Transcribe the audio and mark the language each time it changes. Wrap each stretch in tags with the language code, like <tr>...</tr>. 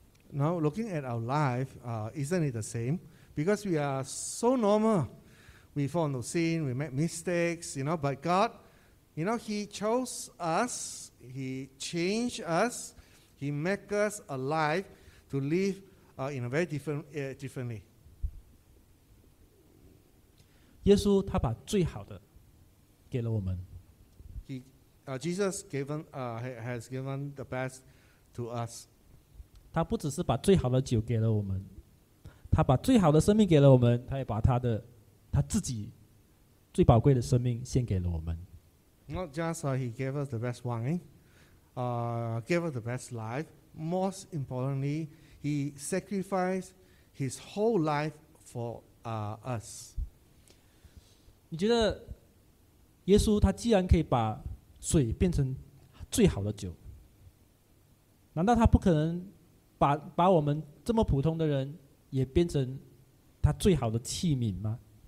<en>Now looking at our life, isn't it the same? Because we are so normal, we fall into sin, we make mistakes, you know. But God, you know, He chose us, He changed us, He make us alive to live in a very differently.</en> <zh>耶稣他把最好的给了我们。</zh> <en>Jesus given, has given the best to us.</en> <zh>他不只是把最好的酒给了我们，他把最好的生命给了我们，他也把他自己最宝贵的生命献给了我们。</zh> <en>Not just he gave us the best wine, gave us the best life. Most importantly, he sacrificed his whole life for us.</en> <zh>你觉得耶稣他既然可以把水变成最好的酒，难道他不可能 把我们这么普通的人也变成他最好的器皿吗？</zh>